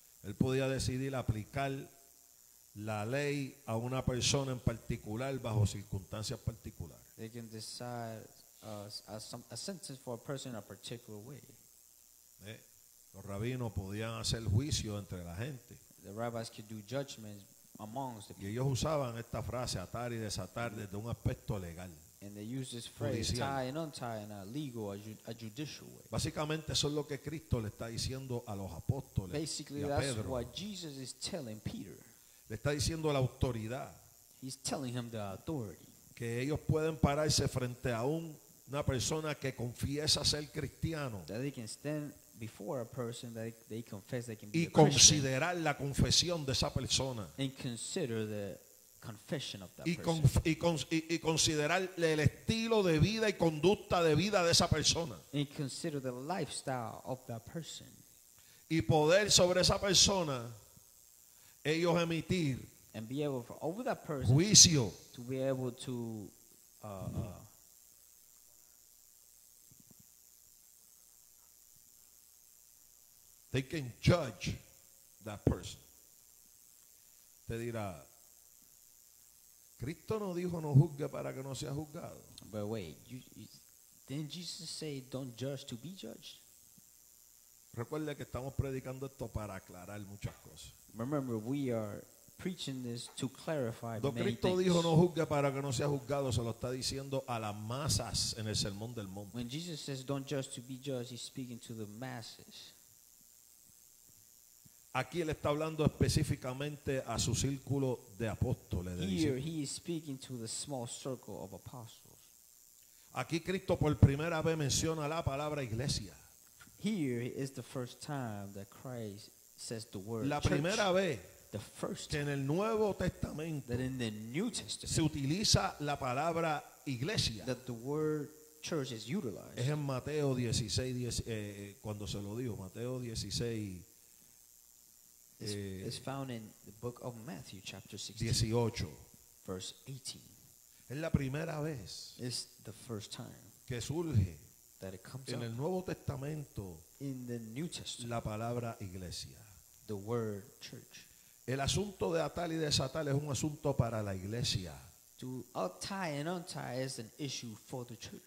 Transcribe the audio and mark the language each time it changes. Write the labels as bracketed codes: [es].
[es] Él podía decidir aplicar la ley a una persona en particular bajo circunstancias particulares. [en] They can decide a sentence for a person in a particular way. [es] Los rabinos podían hacer juicio entre la gente. [en] The rabbis could do judgments amongst the people. [es] Y ellos usaban esta frase atar y desatar desde un aspecto legal. [en] And they use this phrase tie and untie in a legal, a judicial way. [es] Básicamente eso es lo que Cristo le está diciendo a los apóstoles. [en] Basically, [es] y a [en] that's [es] Pedro. [en] What Jesus is telling Peter. [es] Le está diciendo la autoridad. [en] He's telling him the authority. [es] Que ellos pueden pararse frente a una persona que confiesa ser cristiano. [en] That they can stand before a person that they confess they can be a Christian. [es] Y considerar la confesión de esa persona. [en] And consider the confession of that [es] y [en] person. [es] Y considerar el estilo de vida y conducta de vida de esa persona. [en] And consider the lifestyle of that person. [es] Y poder sobre esa persona ellos emitir [en] and be able for, over that person, [es] juicio [en] to be able to they can judge that person. [es] Te dirá, Cristo no dijo no juzgue para que no sea juzgado. [en] But wait, didn't Jesus say don't judge to be judged? [es] Recuerde que estamos predicando esto para aclarar muchas cosas. [en] Remember, we are preaching this to clarify many things. [es] Cristo dijo no juzgue para que no sea juzgado, se lo está diciendo a las masas en el Sermón del Monte. [en] When Jesus says don't judge to be judged, he's speaking to the masses. [es] Aquí él está hablando específicamente a su círculo de apóstoles. [en] Here he is speaking to the small circle of apostles. [es] Aquí Cristo por primera vez menciona la palabra iglesia. [en] Here is the first time that Christ says the word [es] la primera [en] church, [es] vez [en] the first [es] que en el Nuevo Testamento [en] that in the New Testament, [es] se utiliza la palabra iglesia, [en] that the word church is utilized. [es] Es en Mateo 16, 10, cuando se lo dijo, Mateo 16, [en] it's found in the book of Matthew, chapter 16, [es] 18. [en] Verse 18. [es] Es la primera vez [en] it's the first time [es] que surge [en] that it comes [es] en el Nuevo Testamento, [en] in the New Testament, [es] la palabra iglesia, [en] the word church. [es] El asunto de atar y desatar es un asunto para la iglesia. [en] To untie and untie is an issue for the church.